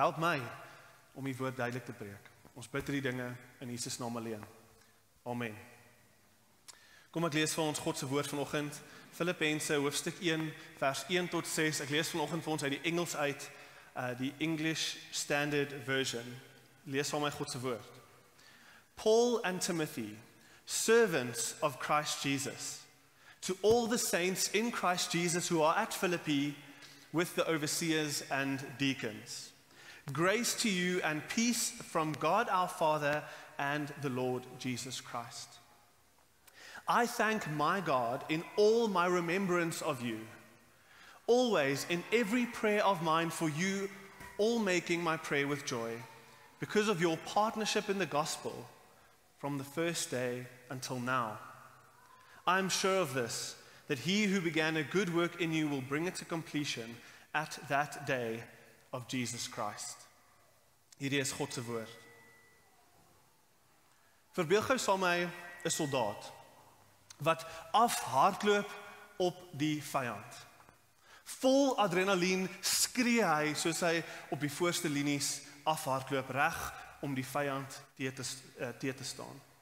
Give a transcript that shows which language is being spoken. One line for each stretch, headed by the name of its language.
Afrikaans: Help my om die woord duidelik te preek. Ons bid hierdie dinge in Jesus naam alleen. Amen. Kom ek lees vir ons God se woord vanoggend, Fillippense hoofstuk 1 vers 1 tot 6. Ek lees vanoggend vir ons uit die Engels uit, die English Standard Version. Lees vir my God se woord.
English: Paul and Timothy, servants of Christ Jesus, to all the saints in Christ Jesus who are at Philippi with the overseers and deacons. Grace to you and peace from God our Father and the Lord Jesus Christ. I thank my God in all my remembrance of you, always in every prayer of mine for you, all making my prayer with joy, because of your partnership in the gospel from the first day until now. I am sure of this, that he who began a good work in you will bring it to completion at that day of Jesus Christ.
Afrikaans: Hierdie is God se woord. Verbeel gou saam met my 'n soldaat wat afhardloop op die vyand. Vol adrenalien skree hy soos hy op die voorste linies afhardloop reg om die vyand teë te staan.